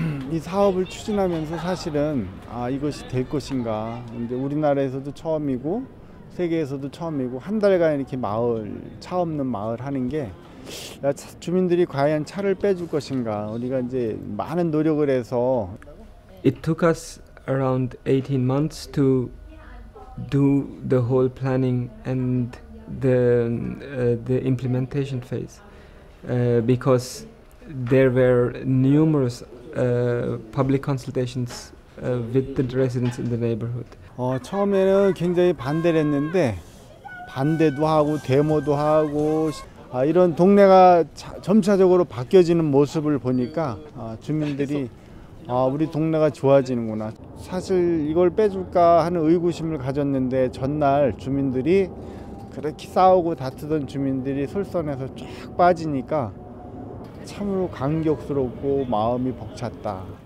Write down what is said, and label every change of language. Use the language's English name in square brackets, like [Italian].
[Korean] 이 사업을 추진하면서 사실은 아 이것이 될 것인가, 이제 우리나라에서도 처음이고 세계에서도 처음이고 한 달간 이렇게 마을 차 없는 마을 하는 게 주민들이 과연 차를 빼줄 것인가, 우리가 이제 많은 노력을 해서 [English] It took us around 18 months to do the whole planning and the implementation phase because there were numerous public consultations with the residents in the neighborhood. [Korean] 처음에는 굉장히 반대를 했는데 반대도 하고 데모도 하고 이런 동네가 점차적으로 바뀌어지는 모습을 보니까 주민들이 우리 동네가 좋아지는구나. 사실 이걸 빼줄까 하는 의구심을 가졌는데 전날 주민들이 그렇게 싸우고 다투던 주민들이 솔선해서 쫙 빠지니까 참으로 감격스럽고 마음이 벅찼다.